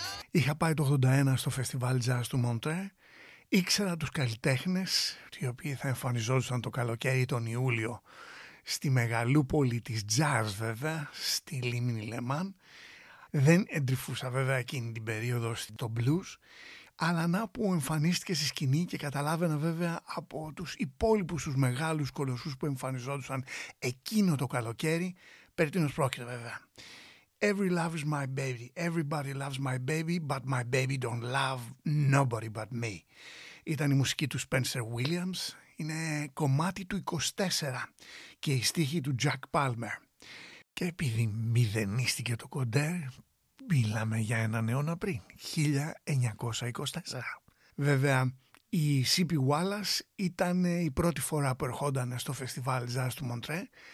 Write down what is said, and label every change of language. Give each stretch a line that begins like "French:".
Greek: Είχα πάει το 81 στο Φεστιβάλ Jazz του Μοντρέ, ήξερα τους καλλιτέχνες, οι οποίοι θα εμφανιζόντουσαν το καλοκαίρι τον Ιούλιο, στη μεγαλούπολη της Jazz βέβαια, στη Λίμνη Λεμάν. Δεν εντρυφούσα βέβαια εκείνη την περίοδο στο blues, αλλά να που εμφανίστηκε στη σκηνή και καταλάβαινα βέβαια από τους υπόλοιπους τους μεγάλους κολοσσούς που εμφανιζόντουσαν εκείνο το καλοκαίρι, περί τίνος πρόκειται βέβαια.
English: Every love is my baby, everybody loves my baby don't love nobody but me.
Greek: Ήταν η μουσική του Spencer Williams, είναι κομμάτι του 24 και η στίχη του Jack Palmer. Και επειδή μηδενίστηκε το κοντέρ, μιλάμε για έναν αιώνα πριν, 1924. Βέβαια, η Σίπι Γουάλας ήταν η πρώτη φορά που ερχόταν στο Φεστιβάλ Jazz του Μοντρέ.